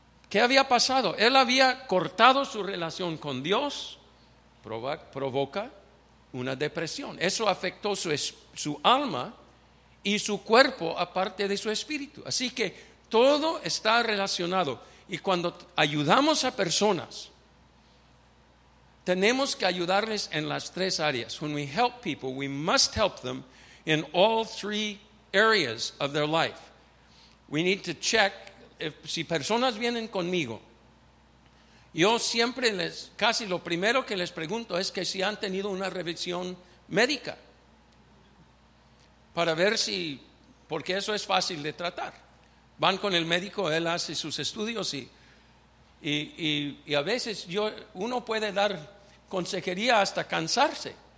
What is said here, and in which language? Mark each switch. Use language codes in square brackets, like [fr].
[es] ¿Qué había pasado? Él había cortado su relación con Dios, provoca una depresión. Eso afectó su alma y su cuerpo, aparte de su espíritu. Así que todo está relacionado. Y cuando ayudamos a personas, tenemos que ayudarles en las tres áreas. [en] When we help people, we must help them in all three areas of their life. We need to check. [es] Si personas vienen conmigo, yo siempre casi lo primero que les pregunto es que si han tenido una revisión médica, para ver si, porque eso es fácil de tratar. Van con el médico, él hace sus estudios y a veces uno puede dar consejería hasta cansarse.